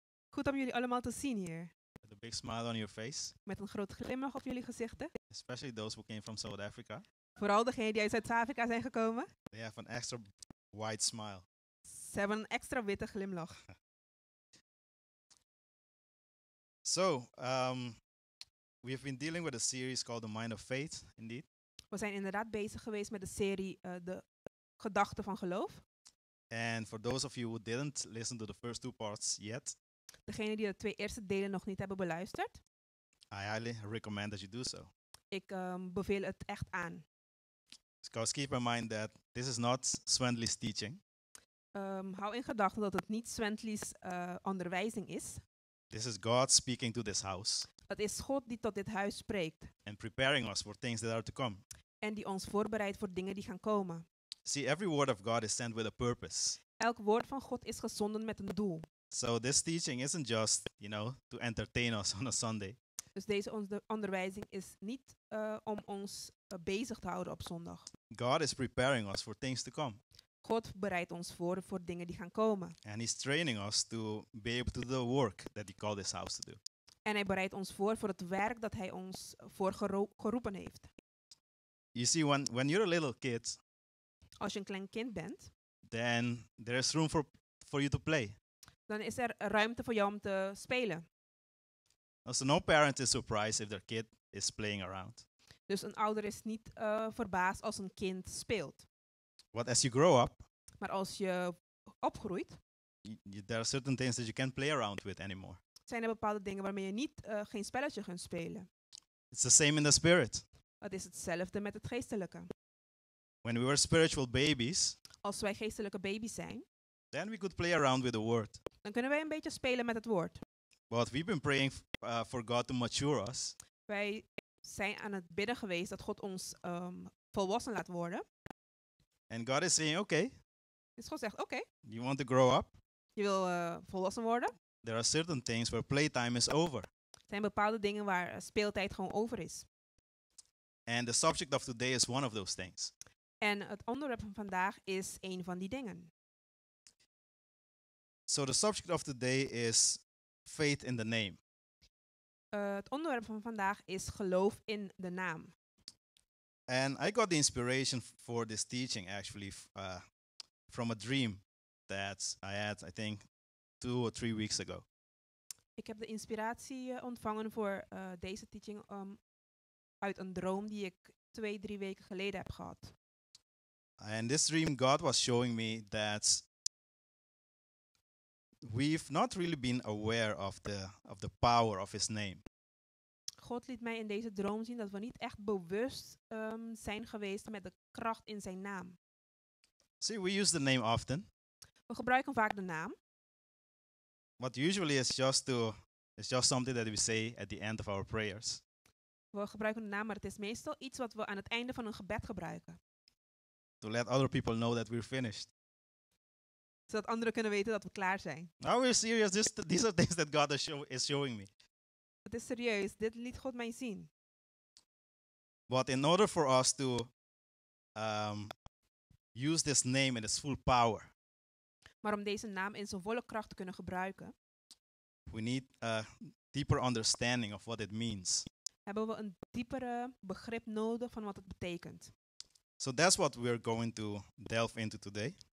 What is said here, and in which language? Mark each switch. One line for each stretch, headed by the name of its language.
Dutch: Goed om jullie allemaal te zien hier.
English: With a big smile on your face.
Dutch: Met een groot glimlach op jullie gezichten.
English: Especially those who came from South Africa.
Dutch: Vooral degenen die uit Zuid-Afrika zijn gekomen.
English: They have an extra wide smile.
Dutch: Ze hebben een extra witte glimlach.
English: So, we have been dealing with a series called The Mind of Faith, indeed.
Dutch: We zijn inderdaad bezig geweest met de serie De Gedachten van Geloof.
English: And for those of you who didn't listen to the first two parts yet.
Dutch: Degene die de twee eerste delen nog niet hebben beluisterd.
English: I highly recommend that you do so.
Dutch: Ik beveel het echt aan.
English: Because keep in mind that this is not Swendley's teaching.
Dutch: Hou in gedachten dat het niet Swendley's onderwijzing is.
English: This is God speaking to this house.
Dutch: Het is God die tot dit huis spreekt.
English: And preparing us for things that are to come.
Dutch: En die ons voorbereidt voor dingen die gaan komen.
English: See, every word of God is sent with a purpose.
Dutch: Elk woord van God is gezonden met een doel.
English: So this teaching isn't just, you know, to entertain us on a Sunday.
Dutch: Dus deze onderwijzing is niet om ons bezig te houden op zondag.
English: God is preparing us for things to come.
Dutch: God bereidt ons voor dingen die gaan komen.
English: And he's training us to be able to do the work that he called this house to do.
Dutch: En hij bereidt ons voor het werk dat hij ons voor geroepen heeft.
English: You see, when you're a little kid.
Dutch: Als je een klein kind bent.
English: Then there is room for you to play.
Dutch: Dan is er ruimte voor jou om te spelen.
English: So no parent is surprised if their kid is playing around.
Dutch: Dus een ouder is niet verbaasd als een kind speelt.
English: But as you grow up.
Dutch: Maar als je opgroeit.
English: There are certain things that you can't play around with anymore.
Dutch: Zijn er bepaalde dingen waarmee je niet geen spelletje kunt spelen.
English: It's the same in the spirit.
Dutch: Het is hetzelfde met het geestelijke.
English: When we were spiritual babies,
Dutch: als wij geestelijke baby's zijn,
English: then we could play around with the word.
Dutch: Dan kunnen wij een beetje spelen met het woord.
English: But we've been praying for God to mature us.
Dutch: Wij zijn aan het bidden geweest dat God ons volwassen laat worden.
English: And God is saying, okay.
Dutch: Dus God zegt, okay.
English: You want to grow up?
Dutch: Je wil volwassen worden?
English: There are certain things where playtime is over.
Dutch: Er zijn bepaalde dingen waar speeltijd gewoon over is.
English: And the subject of today is one of those things.
Dutch: En het onderwerp van vandaag is een van die dingen.
English: So the subject of today is faith in the name.
Dutch: Het onderwerp van vandaag is geloof in de naam.
English: And I got the inspiration for this teaching, actually, from a dream that I had, I think, 2 or 3 weeks ago.
Dutch: Ik heb de inspiratie ontvangen voor deze teaching uit een droom die ik 2, 3 weken geleden heb gehad.
English: And this dream, God was showing me that we've not really been aware of the power of His name.
Dutch: God liet mij in deze droom zien dat we niet echt bewust zijn geweest met de kracht in zijn naam.
English: See, we use the name often.
Dutch: We gebruiken vaak de naam.
English: But usually it's just something that we say at the end of our prayers.
Dutch: We gebruiken de naam, maar het is meestal iets wat we aan het einde van een gebed gebruiken.
English: To let other people know that we're finished.
Dutch: Zodat anderen kunnen weten dat we klaar zijn.
English: Now we're serious. These are things that God is showing me.
Dutch: Het is serieus. Dit liet God mij zien.
English: But in order for us to use this name in its full power.
Dutch: Maar om deze naam in zijn volle kracht te kunnen gebruiken.
English: We need a deeper understanding of what it means.
Dutch: Hebben we een diepere begrip nodig van wat het betekent.
English: So that's what we're going to delve into today.